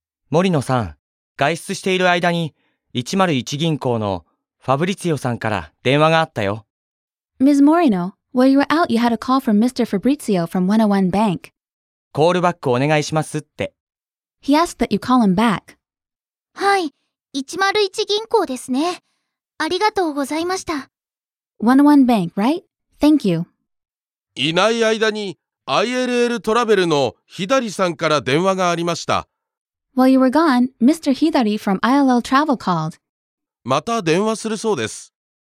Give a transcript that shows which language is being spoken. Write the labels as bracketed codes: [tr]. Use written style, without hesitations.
[ja] 森野さん、外出している間に101銀行のファブリツィオさんから電話があったよ。 [en] Ms. Morino, while you were out, you had a call from Mr. Fabrizio from 101 Bank. [ja] コールバックお願いしますって。 [en] He asked that you call him back. [ja] はい、101銀行ですね。ありがとうございました。 [en] 101 Bank, right? Thank you. [ja] いない間に ILL トラベルのひだりさんから電話がありました。 [en] While you were gone, Mr. Hidari from ILL Travel called. [ja] また電話するそうです。